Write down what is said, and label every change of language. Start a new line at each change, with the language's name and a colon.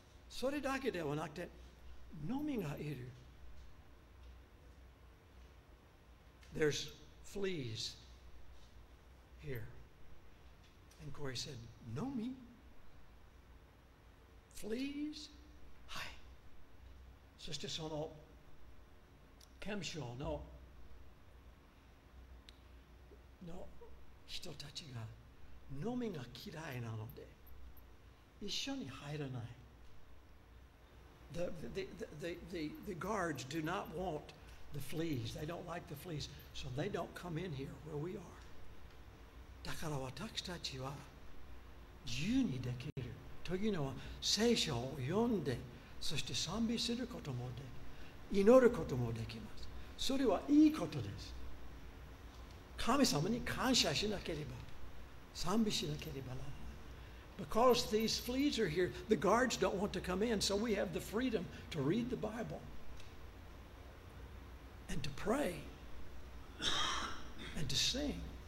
Japanese: それだけではなくて、のみがいる。
English: There's fleas here. And Corey said, no me. Fleas?
Japanese: はい。そしてその、ケムショーの、の人たちが、のみが嫌いなので、一緒に入らない。
English: The guards do not want the fleas. They don't like the fleas. So they don't come in here where we are.
Japanese: だから私たちは自由にできる。というのは聖書を読んで、そして賛美することもで、祈ることもできます。それはいいことです。神様に感謝しなければ、賛美しなければならない。
English: Because these fleas are here, the guards don't want to come in, so we have the freedom to read the Bible and to pray and to sing.